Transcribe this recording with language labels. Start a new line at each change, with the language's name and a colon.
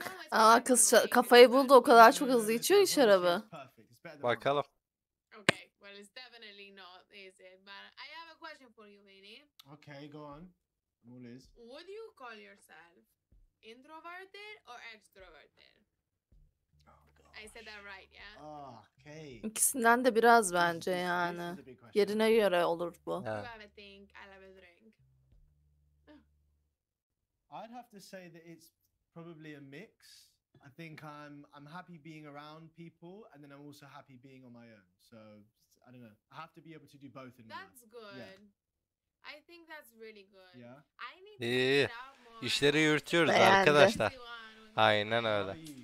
Turkish: Aa kız kafayı buldu, o kadar çok hızlı içiyor ki şarabı. Bakalım.
English: Okay, well it's definitely not, is it? But I have a question for you, Vinny. Okay, go on. Mules. Would you call yourself introverted or extroverted? I said that right, yeah. Oh, okay.
Turkish: İkisinden de biraz bence yani. Yerine göre olur bu.
English: Yeah. You have a thing, I love a drink. I'd have to say that it's probably a mix. I think I'm happy being around people, and then I'm also happy being on my own. So I don't know. I have to be able to do both in my life. That's good. Yeah. I think that's really good. Yeah. I need to get out more.
Turkish: İşleri yürütüyoruz arkadaşlar. Aynen öyle.